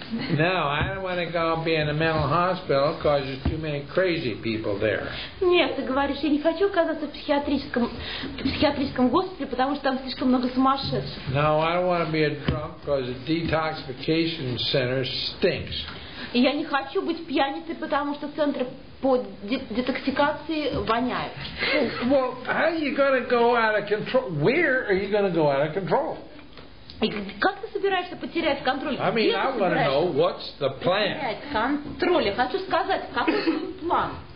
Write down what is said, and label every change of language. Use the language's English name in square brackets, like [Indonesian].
[English] No, I don't want to go be in a mental hospital because there's too many crazy people there. [Russian] Нет, ты говоришь, я не хочу оказаться в психиатрическом госпитале, потому что там слишком много сумасшедших. [English] No, I don't want to be a drunk because the detoxification center stinks. [Russian] Я не хочу быть пьяницей, потому что центр по детоксикации воняет. [English] Well, how are you going to go out of control? Where are you going to go out of control? [Russian] И как ты собираешься потерять контроль? [English] I mean, I want to know what's the plan. [Russian] Потерять контроль. Я хочу сказать, какой план?